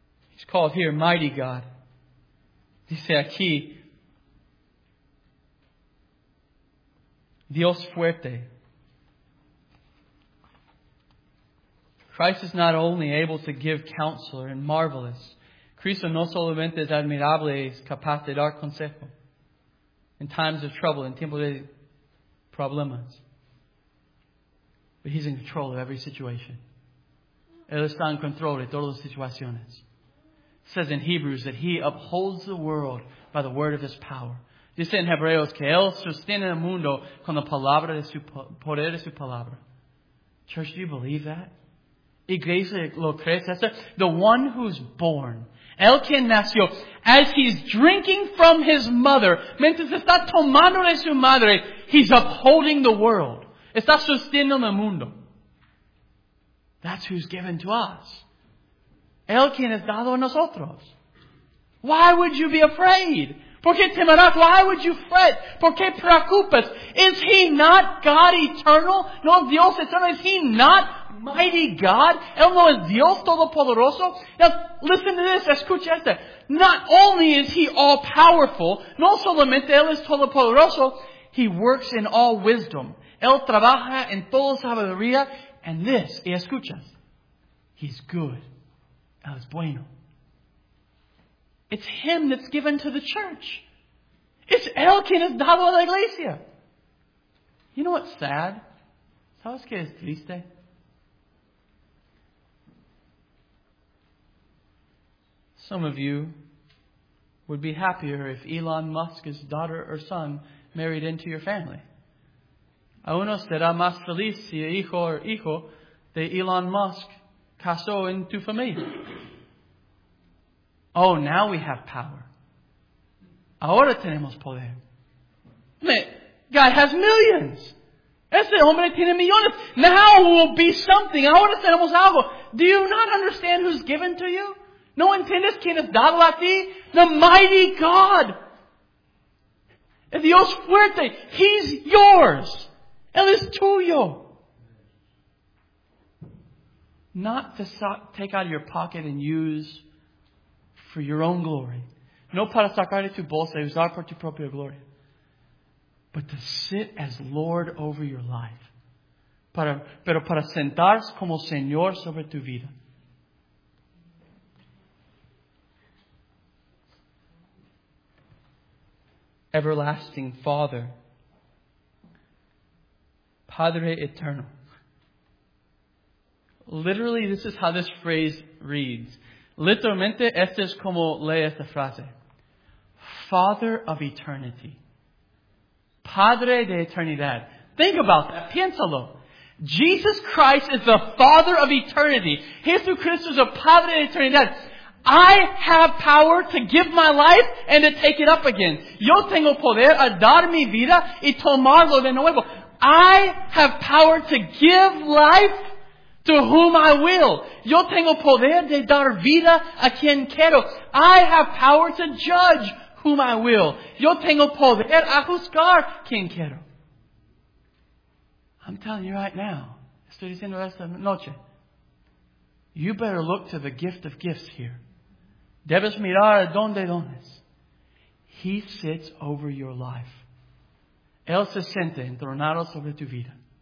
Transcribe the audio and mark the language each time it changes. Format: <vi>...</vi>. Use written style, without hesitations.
<en>He's called here Mighty God.</en> <es>Dice aquí, Dios fuerte.</es> <en>Christ is not only able to give counselor and marvelous.</en> <es>Cristo no solamente es admirable, es capaz de dar consejo.</es> <en>In times of trouble, in</en> <es>tiempos de problemas.</es> <en>But He's in control of every situation.</en> <es>Él está en control de todas las situaciones.</es> <en>It says in Hebrews that He upholds the world by the word of His power.</en> <es>Dice en Hebreos que Él sostiene el mundo con la palabra de su poder de su palabra.</es> <en>Church, do you believe that?</en> <es>Iglesia, ¿lo crees eso?</es> <en>The one who's born.</en> <es>El que nació.</es> <en>As he's drinking from his mother.</en> <es>Mientras está tomando de su madre.</es> <en>He's upholding the world.</en> <es>Está sosteniendo el mundo.</es> <en>That's who's given to us.</en> <es>El quien es dado a nosotros.</es> <en>Why would you be afraid?</en> <es>¿Por qué temerás?</es> <en>Why would you fret?</en> <es>¿Por qué preocupas?</es> <en>Is he not God eternal?</en> <es>No, Dios eterno.</es> <en>Is he not Mighty God?</en> <es>Él no es Dios Todopoderoso.</es> <en>Now, listen to this.</en> <es>Escucha esto.</es> <en>Not only is He all-powerful,</en> <es>no solamente Él es Todopoderoso,</es> <en>He works in all wisdom.</en> <es>Él trabaja en toda sabiduría.</es> <en>And this,</en> <es>y escuchas,</es> <en>He's good.</en> <es>Él es bueno.</es> <en>It's Him that's given to the church.</en> <es>It's Él quien es dado a la iglesia.</es> <en>You know what's sad?</en> <es>¿Sabes qué es triste?</es> <en>Some of you would be happier if Elon Musk's daughter or son married into your family.</en> <es>A uno será más feliz si el hijo o hijo de Elon Musk casó en tu familia.</es> <en>Oh, now we have power.</en> <es>Ahora tenemos poder.</es> <en>God has millions.</en> <es>Ese hombre tiene millones.</es> <en>Now we'll be something.</en> <es>Ahora tenemos algo.</es> <en>Do you not understand who's given to you?</en> <es>No entiendes quién es dado a ti?</es> <en>The Mighty God.</en> <es>El Dios fuerte.</es> <en>He's yours.</en> <es>Él es tuyo.</es> <en>Not to take out of your pocket and use for your own glory.</en> <es>No para sacar de tu bolsa y usar por tu propia gloria.</es> <en>But to sit as Lord over your life.</en> <es>Pero para sentarse como Señor sobre tu vida.</es> <en>Everlasting Father,</en> <es>Padre Eterno.</es> <en>Literally, this is how this phrase reads.</en> <es>Literalmente, esto es como lee esta frase.</es> <en>Father of Eternity.</en> <es>Padre de Eternidad.</es> <en>Think about that.</en> <es>Piénsalo.</es> <en>Jesus Christ is the Father of Eternity.</en> <es>Jesucristo es el Padre de Eternidad.</es> <en>I have power to give my life and to take it up again.</en> <es>Yo tengo poder a dar mi vida y tomarlo de nuevo.</es> <en>I have power to give life to whom I will.</en> <es>Yo tengo poder de dar vida a quien quiero.</es> <en>I have power to judge whom I will.</en> <es>Yo tengo poder a juzgar quien quiero.</es> <en>I'm telling you right now.</en> <es>Estoy diciendo esta noche.</es> <en>You better look to the gift of gifts here.</en> <es>Debes mirar a donde dones.</es> <en>He sits over your life.</en> <es>Él se siente entronado sobre tu vida.</es>